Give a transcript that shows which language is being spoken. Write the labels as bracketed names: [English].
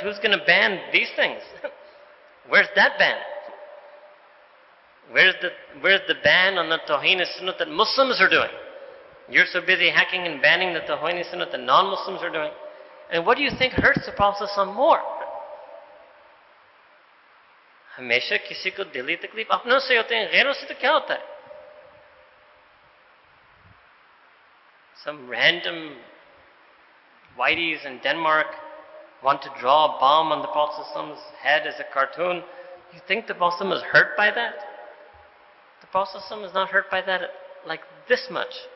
[English] Who's going to ban these things? Where's that ban? Where's the ban on the tawheen sunnah that Muslims are doing? You're so busy hacking and banning that the Tawheen Sunnah the non-Muslims are doing. And what do you think hurts the Prophet some more? [Urdu] ہمیشہ کسی کو دلی تکلیف اپنے سے ہوتے ہیں، غیروں سے تو کیا ہوتا ہے؟ [English] Some random whiteys in Denmark want to draw a bomb on the Prophet's head as a cartoon. You think the Prophet is hurt by that? The Prophet is not hurt by that like this much.